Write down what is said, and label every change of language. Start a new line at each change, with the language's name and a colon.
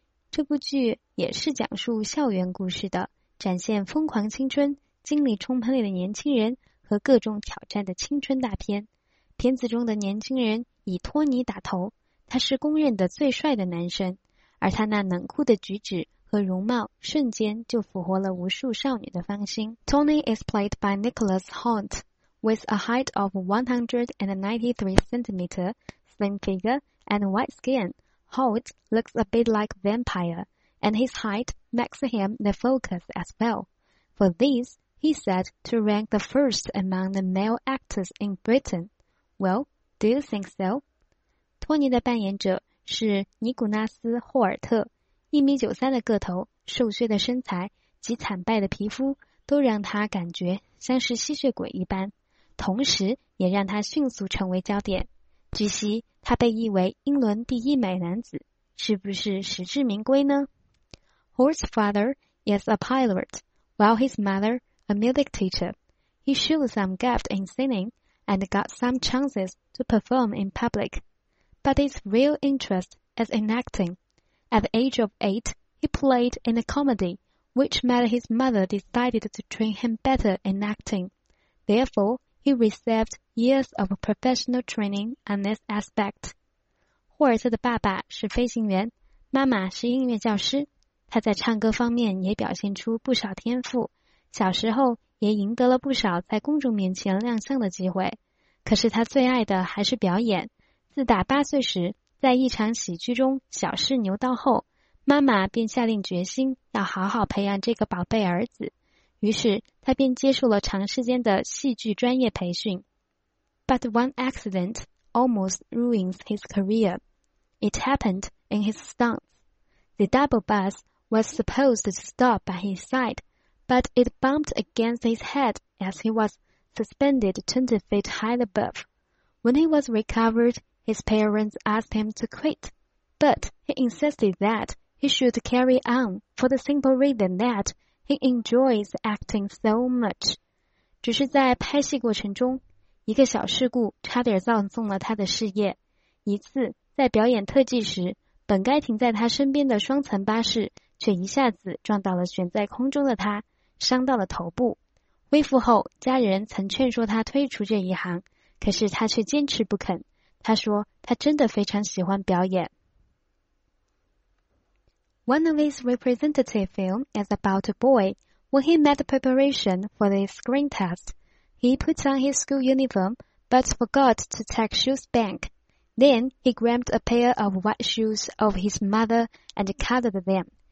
Chinese: 这部剧也是讲述校园故事的，展现疯狂青春、精力充沛的年轻人和各种挑战的青春大片。片子中的年轻人以托尼打头，他是公认的最帅的男生，而他那冷酷的举止和容貌瞬间就俘获了无数少女的芳心。
English: Tony is played by Nicholas Hoult, with a height of 193 centimeters,slim figure and white skin. Holt looks a bit like vampire, and his height makes him the focus as well. For this, he's said to rank the first among the male actors in Britain. Well, do you think so?
Chinese: 托尼的扮演者是尼古拉斯·霍尔特，1.93米的个头，瘦削的身材及惨败的皮肤都让他感觉像是吸血鬼一般，同时也让他迅速成为焦点。据悉他被誉为英伦第一美男子，是不是实至名归呢？
English: Hoult's father is a pilot, while his mother a music teacher. He showed some gift in singing and got some chances to perform in public. But his real interest is in acting. At the age of 8, he played in a comedy, which made his mother decided to train him better in acting. Therefore, he received years of professional training on this aspect.
Chinese: 霍尔特的爸爸是飞行员，妈妈是音乐教师，他在唱歌方面也表现出不少天赋，小时候也赢得了不少在公众面前亮相的机会。可是他最爱的还是表演。自打8岁时在一场喜剧中小试牛刀后，妈妈便下定决心要好好培养这个宝贝儿子，于是他便接受了长时间的戏剧专业培训。
English: But one accident almost ruins his career. It happened in his stunts. The double bus was supposed to stop by his side, but it bumped against his head as he was suspended 20 feet high above. When he was recovered, his parents asked him to quit, but he insisted that he should carry on for the simple reason that he enjoys acting so much.
Chinese: 只是在拍戏过程中一个小事故差点葬送了他的事业。一次在表演特技时，本该停在他身边的双层巴士却一下子撞到了悬在空中的他，伤到了头部。恢复后家人曾劝说他退出这一行，可是他却坚持不肯。他说他真的非常喜欢表演。
English: One of his representative film is about a boy. When he made preparation for the screen test,He put on his school uniform, but forgot to take shoes back. Then he grabbed a pair of white shoes of his mother and colored them.